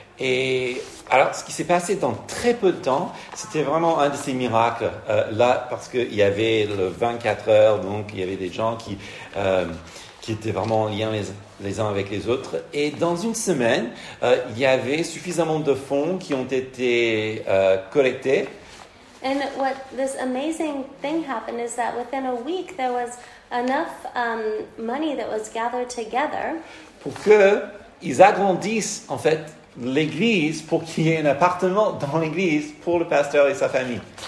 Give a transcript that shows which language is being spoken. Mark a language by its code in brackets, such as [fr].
[fr] Et alors, ce qui s'est passé dans très peu de temps, c'était vraiment un de ces miracles là, parce qu'il y avait le 24 heures, donc il y avait des gens qui étaient vraiment en lien les uns avec les autres. Et dans une semaine, il y avait suffisamment de fonds qui ont été collectés. [en] And what this amazing thing happened is that within a week, there was enough money that was gathered together [fr] pour que ils agrandissent, en fait, l'église, pour qu'il y ait un appartement dans l'église pour le pasteur et sa famille.